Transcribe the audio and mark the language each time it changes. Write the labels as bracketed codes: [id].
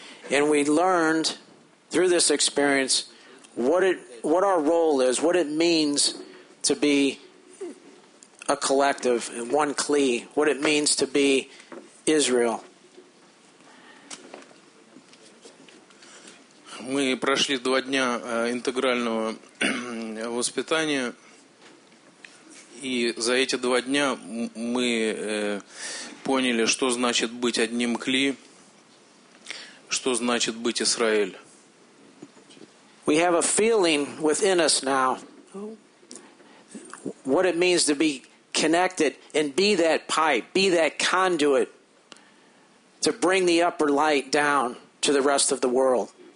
[en] And we learned through this experience what our role is, what it means to be a collective, one kli, what it means to be Israel. [ru] Мы прошли 2 дня интегрального воспитания, и за эти 2 дня мы поняли, что значит быть одним кли, что значит быть Израиль. [en] We have a feeling within us now what it means to be connected and be that pipe, be that conduit to bring the upper light down to the rest of the world.